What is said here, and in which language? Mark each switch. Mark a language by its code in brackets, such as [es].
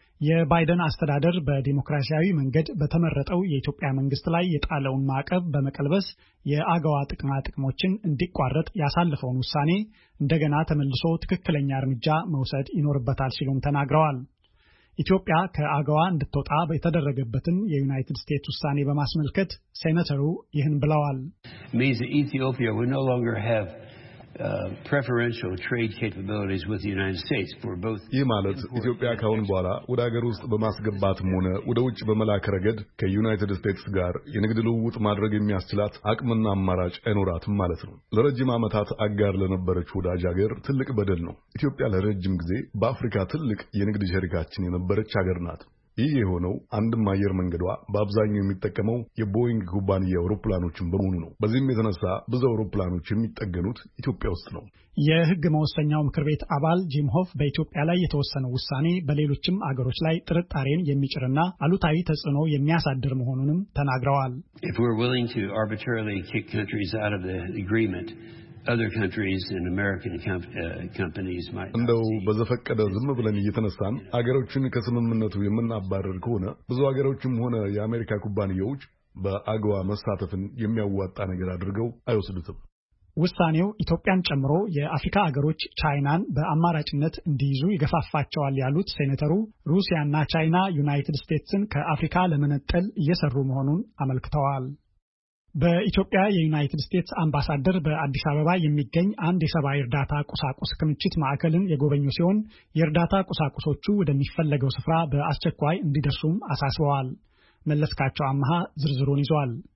[am] የባይደን አስተዳደር በዲሞክራሲያዊ መንገድ በተመረጠው የኢትዮጵያ መንግስት ላይ የጣለውን ማዕቀብ በመቀልበስ የአጋዋ ጥቅማ ጥቅሞችን እንዲቋረጥ ያሳለፈውን ውሳኔ እንደገና ተመልሶ ትክክለኛ እርምጃ መውሰድ ይኖርበታል ሲሉም ተናግረዋል። ኢትዮጵያ ከአጋዋ እንድትወጣ በተደረገበትን የዩናይትድ ስቴትስ ውሳኔ በማስመልከት ሴኔተሩ ይህን ብለዋል። [en] Ethiopia we no longer have preferential trade capabilities with the United States for both. [am] ይህ ማለት ኢትዮጵያ ካሁን በኋላ ወደ አገር ውስጥ በማስገባትም ሆነ ወደ ውጭ በመላክ ረገድ ከዩናይትድ ስቴትስ ጋር የንግድ ልውውጥ ማድረግ የሚያስችላት አቅምና አማራጭ አይኖራትም ማለት ነው። ለረጅም ዓመታት አጋር ለነበረች ወዳጅ አገር ትልቅ በደል ነው። ኢትዮጵያ ለረጅም ጊዜ በአፍሪካ ትልቅ የንግድ ሸሪካችን የነበረች አገር ናት። ይህ የሆነው አንድም አየር መንገዷ በአብዛኛው የሚጠቀመው የቦይንግ ኩባንያ አውሮፕላኖችን በመሆኑ ነው። በዚህም የተነሳ ብዙ አውሮፕላኖች የሚጠገኑት ኢትዮጵያ ውስጥ ነው። የሕግ መወሰኛው ምክር ቤት አባል ጂም ሆፍ በኢትዮጵያ ላይ የተወሰነው ውሳኔ በሌሎችም አገሮች ላይ ጥርጣሬን የሚጭርና አሉታዊ ተጽዕኖ የሚያሳድር መሆኑንም ተናግረዋል። [en] If we're willing to arbitrarily kick countries out of the agreement, other countries and American companies might not [am] እንደው በዘፈቀደ ዝም ብለን እየተነሳን አገሮችን ከስምምነቱ የምናባረር ከሆነ ብዙ አገሮችም ሆነ የአሜሪካ ኩባንያዎች በአጋዋ መሳተፍን የሚያዋጣ ነገር አድርገው አይወስዱትም። ውሳኔው ኢትዮጵያን ጨምሮ የአፍሪካ አገሮች ቻይናን በአማራጭነት እንዲይዙ ይገፋፋቸዋል ያሉት ሴኔተሩ ሩሲያና ቻይና ዩናይትድ ስቴትስን ከአፍሪካ ለመነጠል እየሰሩ መሆኑን አመልክተዋል። በኢትዮጵያ የዩናይትድ ስቴትስ አምባሳደር በአዲስ አበባ የሚገኝ አንድ የሰብአዊ እርዳታ ቁሳቁስ ክምችት ማዕከልን የጎበኙ ሲሆን የእርዳታ ቁሳቁሶቹ ወደሚፈለገው ስፍራ በአስቸኳይ እንዲደርሱም አሳስበዋል። መለስካቸው አመሃ ዝርዝሩን ይዟል።